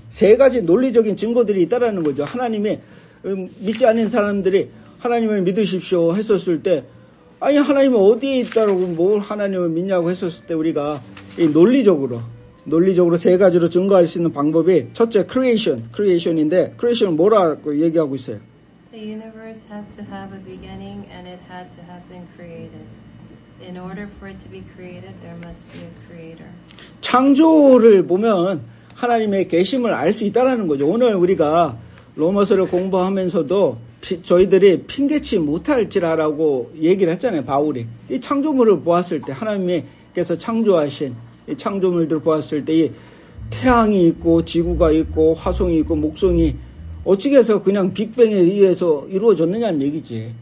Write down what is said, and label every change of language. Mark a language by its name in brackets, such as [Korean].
[Korean] 세 가지 논리적인 증거들이 있다라는 거죠. 하나님의 믿지 않는 사람들이 하나님을 믿으십시오 했었을 때 아니 하나님은 어디에 있다라고 뭘 하나님을 믿냐고 했었을 때 우리가 이 논리적으로 세 가지로 증거할 수 있는 방법이 첫째 크리에이션인데 크리에이션은 뭐라고 얘기하고 있어요? [English] The universe had to have a beginning and it had to have been created. In order for it to be created, there must be a creator. [Korean] 창조를 보면 하나님의 계심을 알 수 있다라는 거죠. 오늘 우리가 로마서를 공부하면서도 저희들이 핑계치 못할지라라고 얘기를 했잖아요. 바울이 이 창조물을 보았을 때 하나님께서 창조하신 이 창조물들을 보았을 때 이 태양이 있고 지구가 있고 화성이 있고 목성이 어떻게 해서 그냥 빅뱅에 의해서 이루어졌느냐는 얘기지.